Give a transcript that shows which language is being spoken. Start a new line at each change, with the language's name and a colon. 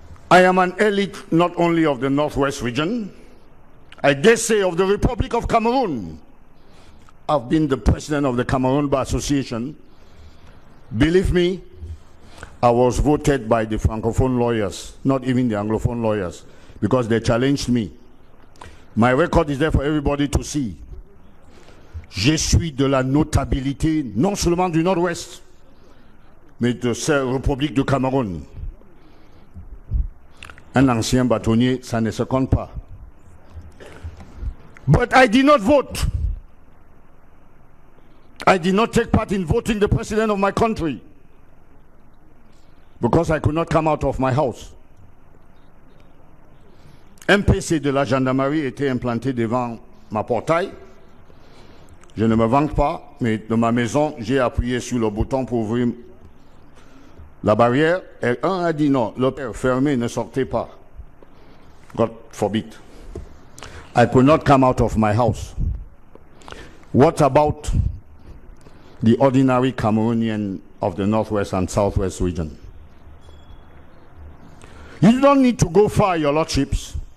English: I am an elite not only of the Northwest region, I dare say of the Republic of Cameroon. I've been the president of the Cameroon Bar Association. Believe me, I was voted by the Francophone lawyers, not even the Anglophone lawyers, because they challenged me. My record is there for everybody to see.
French: Je suis de la notabilité, non seulement du Nord-Ouest, mais de la République du Cameroun. Un ancien bâtonnier, ça ne se compte pas.
English: But I did not vote. I did not take part in voting the president of my country because I could not come out of my house.
French: Un PC de la gendarmerie était implanté devant ma portail. Je ne me vante pas, mais dans ma maison, j'ai appuyé sur le bouton pour ouvrir la barrière. Et un a dit non, le père fermé, ne sortez pas.
English: God forbid. I could not come out of my house. What about the ordinary Cameroonian of the Northwest and Southwest region? You don't need to go far, your lordships.